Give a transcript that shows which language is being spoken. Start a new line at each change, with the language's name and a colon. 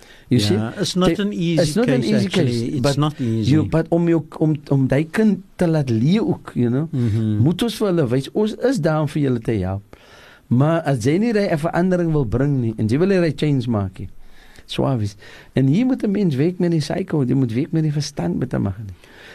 English: You yeah, see, it's not an easy case.
Afrikaans: Om die kind te laat leer ook,
English: you know, mm-hmm.
Afrikaans: moet ons vir hulle wees, ons is daar om vir julle te help. Maar as jy nie die verandering wil bring nie, en jy wil die
English: change
Afrikaans: maak, swaar is. En hier moet een mens werk met die psycho, jy moet werk met die verstand met hom maak.